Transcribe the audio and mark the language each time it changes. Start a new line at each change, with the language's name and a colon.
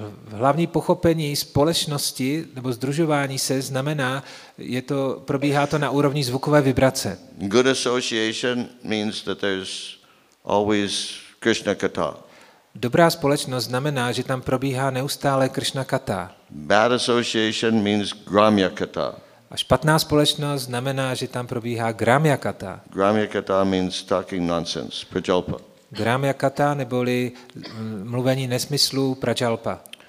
Czech: Hlavní pochopení společnosti nebo združování se znamená, je to, probíhá to na úrovni zvukové vibrace.
English: Good association means that there's always Krishna Katha.
Czech: Dobrá společnost znamená, že tam probíhá neustále Krishna Katha.
English: Bad association means Gramya Katha.
Czech: A špatná společnost znamená, že tam probíhá Gramya Katha.
English: Gramya Katha means talking nonsense, prajalpa.
Czech: Gramya Katha neboli mluvení nesmyslu, prajalpa.